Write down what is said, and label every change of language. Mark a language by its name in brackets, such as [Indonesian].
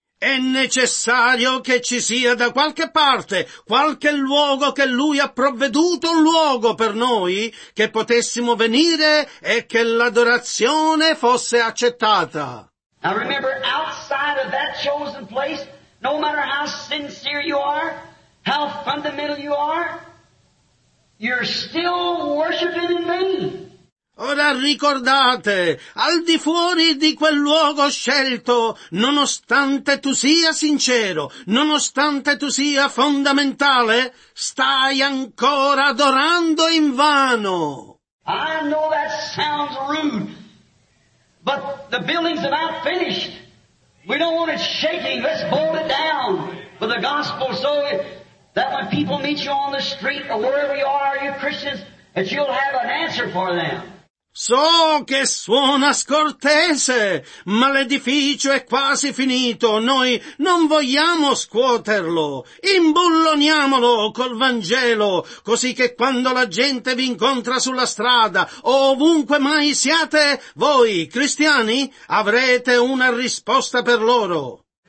[Italian] È necessario che ci sia da qualche parte, qualche luogo che Lui ha provveduto, un luogo per noi che potessimo venire e che l'adorazione fosse accettata. [English] Now remember, outside of that chosen place, no matter how sincere you are, how fundamental you are, you're still worshiping in vain. [Italian] Ora ricordate, al di fuori di quel luogo scelto, nonostante tu sia sincero, nonostante tu sia fondamentale, stai ancora adorando in vano. [English] I know that sounds rude, but the building's about finished. We don't want it shaking, let's hold it down with the gospel so that when people meet you on the street or wherever you are, you Christians, that you'll have an answer for them. [Italian] So che suona scortese, ma l'edificio è quasi finito, noi non vogliamo scuoterlo, imbulloniamolo col Vangelo, così che quando la gente vi incontra sulla strada o ovunque mai siate, voi, cristiani, avrete una risposta per loro.